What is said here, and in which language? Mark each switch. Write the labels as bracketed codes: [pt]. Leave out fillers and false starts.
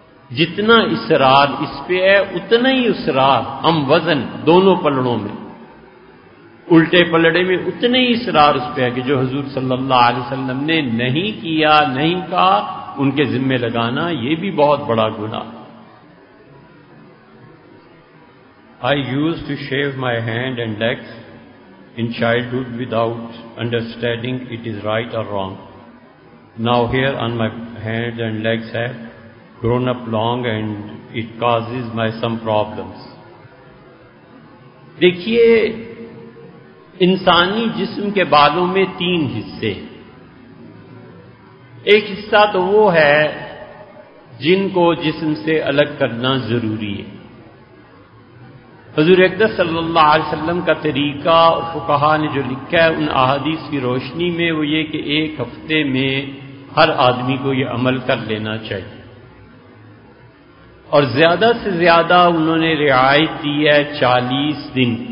[ur] جتنا اسرار اس پہ ہے اتنا ہی اسرار ہم وزن دونوں پلڑوں میں، الٹے پلڑے میں اتنے ہی اسرار اس پہ ہے کہ جو حضور صلی اللہ علیہ وسلم نے نہیں کیا نہیں کہا ان کے ذمے لگانا یہ بھی بہت بڑا گناہ. [en] I used to shave my hand and legs in childhood without understanding it is right or wrong. Now here on my hands and legs have grown up long and it causes my some problems. [ur] دیکھیے انسانی جسم کے بالوں میں تین حصے. ایک حصہ تو وہ ہے جن کو جسم سے الگ کرنا ضروری ہے. حضور اقدس صلی اللہ علیہ وسلم کا طریقہ اور فقہا نے جو لکھا ہے ان احادیث کی روشنی میں وہ یہ کہ ایک ہفتے میں ہر آدمی کو یہ عمل کر لینا چاہیے، اور زیادہ سے زیادہ انہوں نے رعایت دی ہے 40 دن.